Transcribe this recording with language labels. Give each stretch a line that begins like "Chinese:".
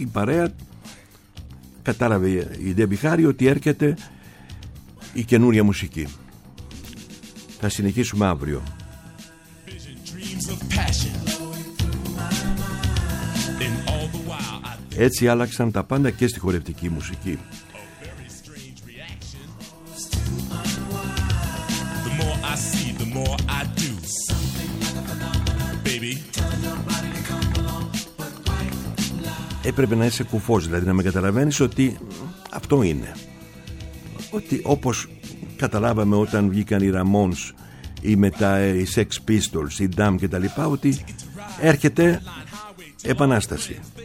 Greek: Η παρέα κατάλαβε η Debbie Harry ότι έρχεται η καινούρια μουσική. Θα συνεχίσουμε αύριο. Έτσι άλλαξαν τα πάντα και στη χορευτική μουσική.
English: The more I see, the more I do.
Greek: έπρεπε να είσαι κουφός, δηλαδή να με καταλαβαίνεις ότι αυτό είναι. Ότι όπως καταλάβαμε όταν βγήκαν οι Ramones ή μετά οι Sex Pistols, οι Damn και τα λοιπά, ότι έρχεται επανάσταση.